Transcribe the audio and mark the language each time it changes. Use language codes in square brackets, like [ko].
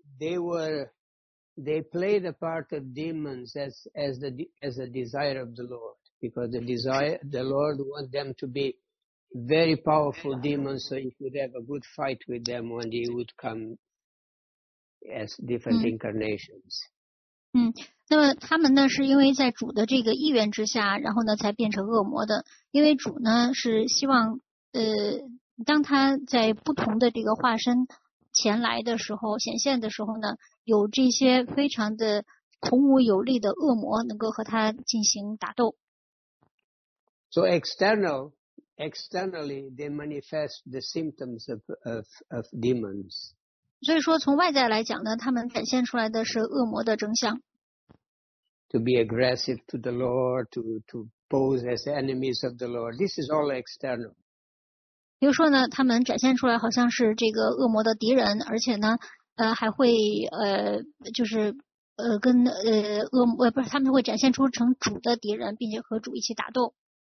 [en] Yeah, they play the part of demons as a desire of the Lord, because the Lord wants them to be very powerful demons, so he could have a good fight with them when he would come as different incarnations. [zh] 那么他们呢是因为在主的这个意愿之下，然后呢才变成恶魔的，因为主呢是希望当他在不同的这个化身前来的时候，显现的时候呢，有这些非常的孔武有力的恶魔能够和他进行打斗。 [en] So externally they manifest the symptoms of demons. [zh] 所以说从外在来讲呢，他们展现出来的是恶魔的征象。 [en] To be aggressive to the Lord, to pose as enemies of the Lord. This is all external. [zh] 比如说呢，他们展现出来好像是这个恶魔的敌人，而且呢，还会就是跟恶魔不是，他们会展现出成主的敌人，并且和主一起打斗。